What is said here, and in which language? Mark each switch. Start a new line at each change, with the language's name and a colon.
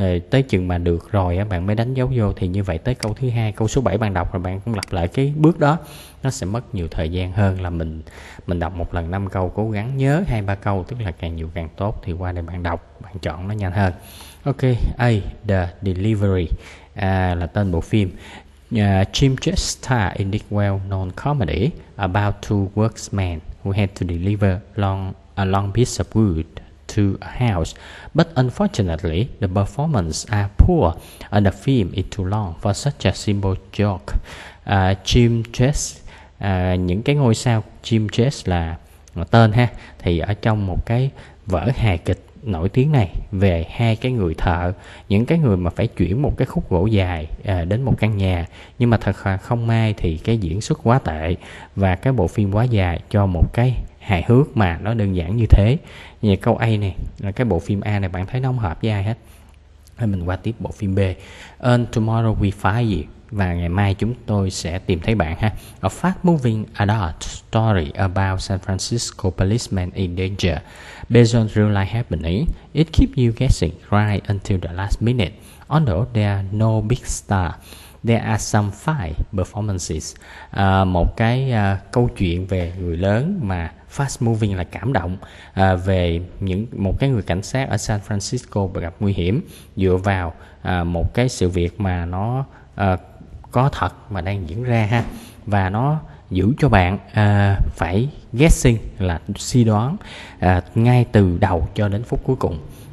Vietnamese: Tới chừng mà được rồi bạn mới đánh dấu vô. Thì như vậy tới câu thứ 2, câu số 7 bạn đọc rồi, bạn cũng lặp lại cái bước đó. Nó sẽ mất nhiều thời gian hơn là mình đọc một lần 5 câu, cố gắng nhớ 2-3 câu, tức là càng nhiều càng tốt. Thì qua đây bạn đọc, bạn chọn nó nhanh hơn. Ok, A, The Delivery là tên bộ phim.
English: Jim Chester in this well-known comedy about two workmen who had to deliver a long piece of wood to a house, but unfortunately the performance are poor and the film is too long for such a simple joke.
Vietnamese: Jim Chase, những cái ngôi sao, Jim Chase là tên ha, thì ở trong một cái vở hài kịch nổi tiếng này về hai cái người thợ, những cái người mà phải chuyển một cái khúc gỗ dài đến một căn nhà, nhưng mà thật không may thì cái diễn xuất quá tệ và cái bộ phim quá dài cho một cái hài hước mà nó đơn giản như thế. Như câu A này, là cái bộ phim A này bạn thấy nó không hợp với ai hết. Thôi mình qua tiếp bộ phim B.
English: And tomorrow we find you.
Vietnamese: Và ngày mai chúng tôi sẽ tìm thấy bạn ha.
English: A fast moving adult story about San Francisco policeman in danger. Based on real life happening, it keeps you guessing right until the last minute. Although there are no big star, there are some fine performances.
Vietnamese: Một cái câu chuyện về người lớn mà fast moving là cảm động, về những một cái người cảnh sát ở San Francisco gặp nguy hiểm dựa vào một cái sự việc mà nó có thật mà đang diễn ra ha, và nó giữ cho bạn phải guessing là suy đoán ngay từ đầu cho đến phút cuối cùng.